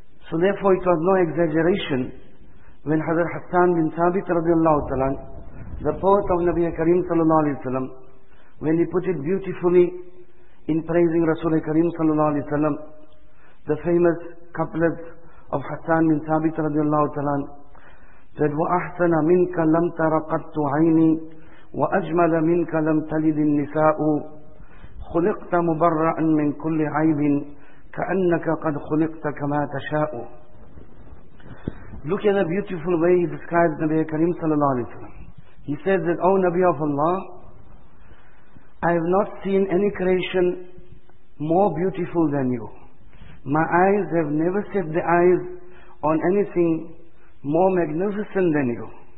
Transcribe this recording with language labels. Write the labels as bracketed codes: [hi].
[en] So therefore it was no exaggeration when Hazrat Hassan bin Thabit radiallahu ta'ala, the poet of Nabi Kareem sallallahu alayhi wa sallam, when he put it beautifully in praising Rasul Kareem sallallahu alayhi wa sallam, the famous couplet of Hassan bin Thabit radiallahu ta'ala said, [ar] وَأَحْسَنَ مِنْكَ لَمْ تَرَقَتْتُ عَيْنِي وَأَجْمَلَ مِنْكَ لَمْ تَلِدِ النِّسَاءُ خُلِقْتَ مُبَرَّعًا مِنْ كُلِّ عَيْبٍ كَأَنَّكَ قَدْ خُلِقْتَ كَمَا تَشَاءُ. [en] Look at the beautiful way he describes Nabi Karim sallallahu alayhi wa sallam. He says that, O Nabi of Allah, I have not seen any creation more beautiful than you. My eyes have never set the eyes on anything more magnificent than you.